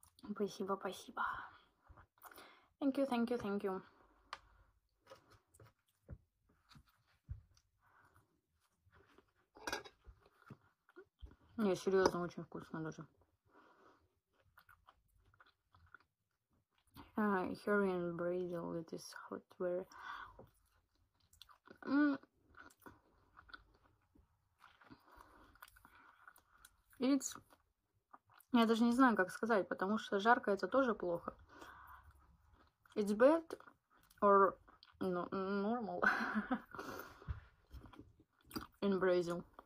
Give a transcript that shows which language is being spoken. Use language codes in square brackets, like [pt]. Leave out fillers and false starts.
[ru] Спасибо, спасибо. [en] Thank you. [ru] Не, серьезно, очень вкусно даже. [en] Here in Brazil, it is hot very. It's... [ru] Я даже не знаю, как сказать, потому что жарко это тоже плохо. [en] It's bad or normal in Brazil.